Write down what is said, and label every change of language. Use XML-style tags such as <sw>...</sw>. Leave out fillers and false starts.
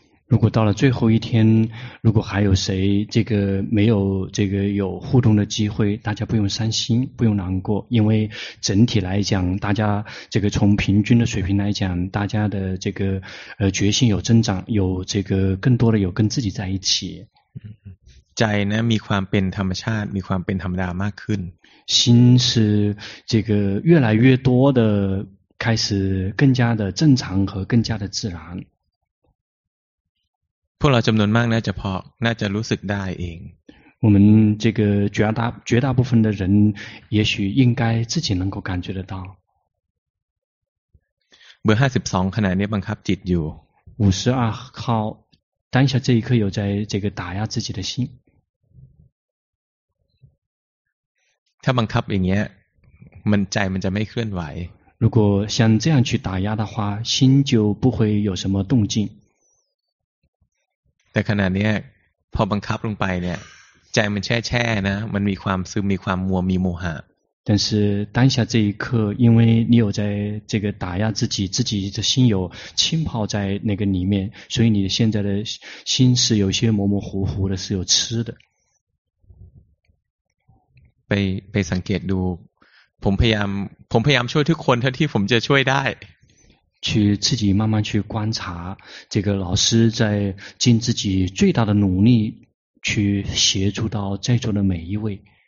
<zh>如果到了最后一天如果还有谁这个没有这个有互动的机会大家不用伤心不用难过因为整体来讲大家这个从平均的水平来讲大家的这个决心有增长有这个更多的有跟自己在一起</zh> <th>ใจนะมีความเป็นธรรมชาติมีความเป็นธรรมดามากขึ้น</th> <zh>心是这个越来越多的开始更加的正常和更加的自然</zh> <th>พวกเราจำนวนมากน่าจะพอน่าจะรู้สึกได้เอง</th> <zh>我们这个绝大部分的人也许应该自己能够感觉得到</zh> <th>เบอร์52ขณะนี้บังคับจิตอยู่</th> <zh>52号当下这一刻有在这个打压自己的心</zh> <th>ถ้าบังคับอย่างเงี้ยมันใจมันจะไม่เคลื่อนไหว</th> <zh>如果像这样去打压的话心就不会有什么动静</zh> <th>แต่ขณะนี้พอบังคับลงไปเนี่ยใจมันแช่นะมันมีความซึมมีความมัวมีโมหะ</th> <zh>但是当下这一刻因为你有在这个打压自己的心有浸泡在那个里面所以你现在的心是有些模模糊糊的是有痴的</zh> <th>ไปสังเกตดูผมพยายามช่วยทุกคนเท่าที่ผมจะช่วยได้</th> <zh>去自己慢慢去观察这个老师在尽自己最大的努力去协助到在座的每一位</zh>